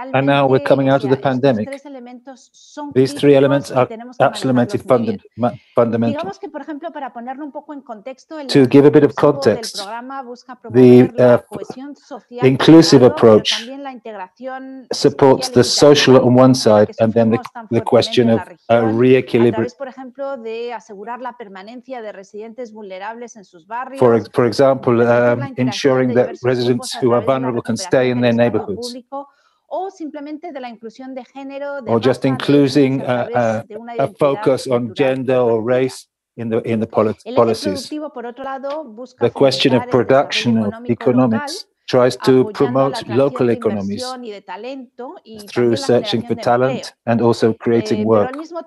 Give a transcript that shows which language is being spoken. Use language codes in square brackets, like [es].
[en] And now we're coming out of the pandemic. These three elements are absolutely fundamental. To give a bit of context, the inclusive approach supports the social on one side, and then the question of re-equilibrium. [es] Por ejemplo, de asegurar la permanencia de residentes vulnerables en sus barrios. [en] For example, ensuring that residents who are vulnerable can stay in their neighborhoods. [es] O simplemente de la inclusión de género. [en] Or just including a focus on gender or race in the policies. The question of production of economics tries to promote local economies through searching for talent and also creating work.